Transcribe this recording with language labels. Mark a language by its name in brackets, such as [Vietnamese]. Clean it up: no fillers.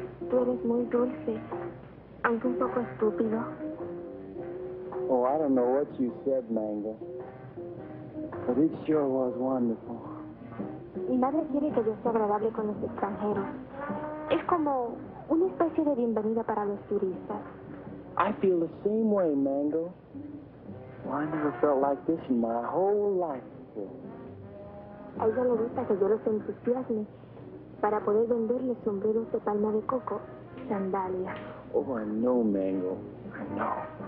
[Spanish] Tú eres muy dulce, aunque un poco estúpido. [English] Oh, I don't know what you said, Mango. But it sure was wonderful. [Spanish] Mi madre quiere que yo sea agradable con los extranjeros. Es como una especie de bienvenida para los turistas. [English] I feel the same way, Mango. Well, I never felt like this in my whole life. [Spanish] sí. A ella le gusta que yo los entusiasme para poder venderle sombreros de palma de coco y sandalias. [English] Oh, I know, Mango. I know.